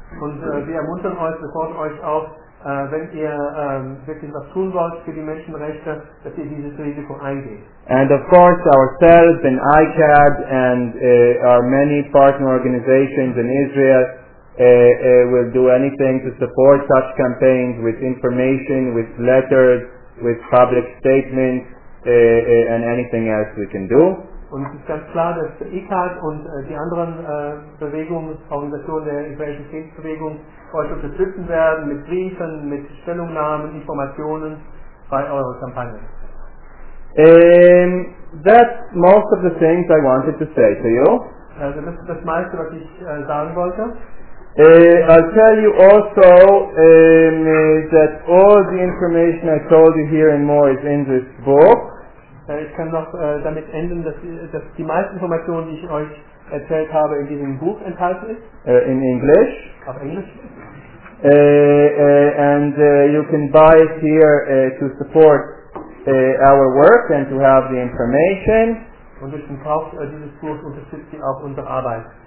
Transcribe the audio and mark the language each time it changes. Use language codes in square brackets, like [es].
[de] Und wir ermuntern euch, wir fordern euch auf, wenn ihr wirklich was tun wollt für die Menschenrechte, dass ihr dieses Risiko eingeht. [en] And of course, ourselves and ICAD and our many partner organizations in Israel will do anything to support such campaigns with information, with letters, with public statements, and anything else we can do. [de] Und es ist ganz klar, dass ICAD und die anderen Bewegungen, Organisationen der israelischen Friedensbewegung, euch unterstützen werden mit Briefen, mit Stellungnahmen, Informationen bei eurer Kampagne. [en] That's most of the things I wanted to say to you. [de] Also das ist das meiste, was ich sagen wollte. [en] I'll tell you also that all the information I told you here and more is in this book. [de] Ich kann noch damit enden, dass die meiste Information, die ich euch erzählt habe, in diesem Buch enthalten ist. [en] In English. [de] Auf Englisch. [en] You can buy it here to support our work and to have the information. [de] Und ihr könnt dieses Buch unterstützt ihr auch unsere Arbeit.